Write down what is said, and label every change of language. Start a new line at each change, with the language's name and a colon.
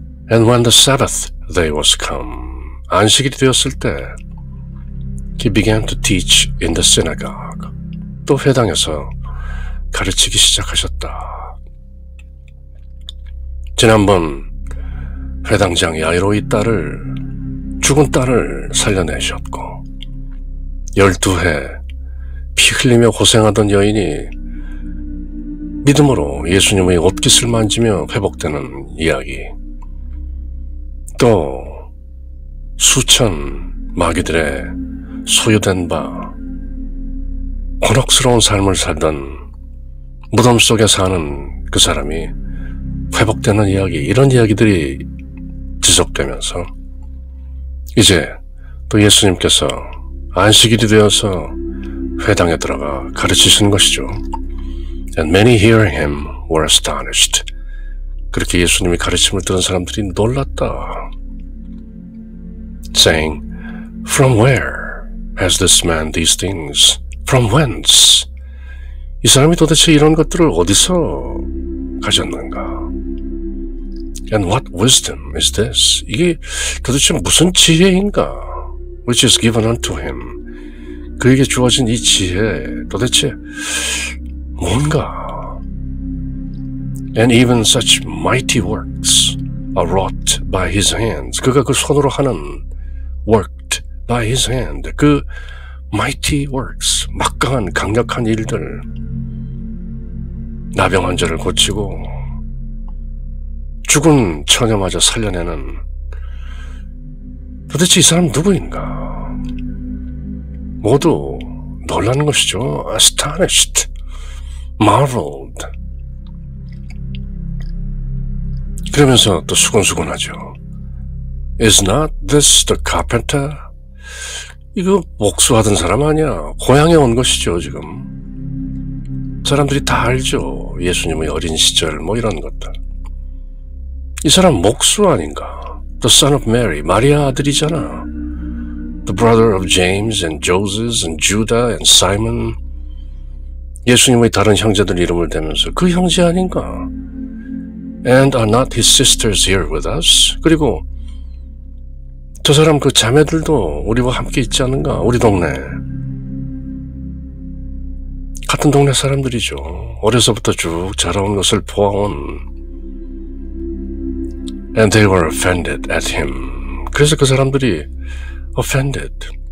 English: And when the Sabbath day was come,
Korean: 안식일이 되었을 때,
English: he began to teach in the synagogue.
Korean: 또 회당에서 가르치기 시작하셨다. 지난번 회당장 야이로의 딸을, 죽은 딸을 살려내셨고, 12해 피 흘리며 고생하던 여인이 믿음으로 예수님의 옷깃을 만지며 회복되는 이야기, 또 수천 마귀들의 소유된 바, 곤혹스러운 삶을 살던 무덤 속에 사는 그 사람이 회복되는 이야기, 이런 이야기들이 지속되면서 이제 또 예수님께서 안식일이 되어서 회당에 들어가 가르치시는 것이죠.
English: And many hearing him were astonished.
Korean: 그렇게 예수님이 가르침을 들은 사람들이 놀랐다.
English: Saying, From where has this man these things? From whence?
Korean: 이 사람이 도대체 이런 것들을 어디서 가졌는가?
English: And what wisdom is this?
Korean: 이게 도대체 무슨 지혜인가?
English: Which is given unto him.
Korean: 그에게 주어진 이 지혜 도대체 뭔가?
English: And even such mighty works are wrought by his hands.
Korean: 그가 그 손으로 하는
English: worked by his hand.
Korean: 그 mighty works, 막강한 강력한 일들. 나병 환자를 고치고 죽은 처녀마저 살려내는 도대체 이 사람 누구인가? 모두 놀라는 것이죠.
English: Astonished, marveled.
Korean: 그러면서 또 수근수근하죠.
English: Is not this the carpenter?
Korean: 이거 목수하던 사람 아니야. 고향에 온 것이죠, 지금. 사람들이 다 알죠. 예수님의 어린 시절 뭐 이런 것들. 이 사람 목수 아닌가?
English: The son of Mary,
Korean: 마리아 아들이잖아.
English: The brother of James and Joseph and Judah and Simon.
Korean: 예수님의 다른 형제들 이름을 대면서 그 형제 아닌가?
English: And are not his sisters here with us?
Korean: 그리고 저 사람 그 자매들도 우리와 함께 있지 않은가? 우리 동네. 같은 동네 사람들이죠. 어려서부터 쭉 자라온 것을 보아온.
English: And they were offended at him.
Korean: 그래서 그 사람들이
English: offended.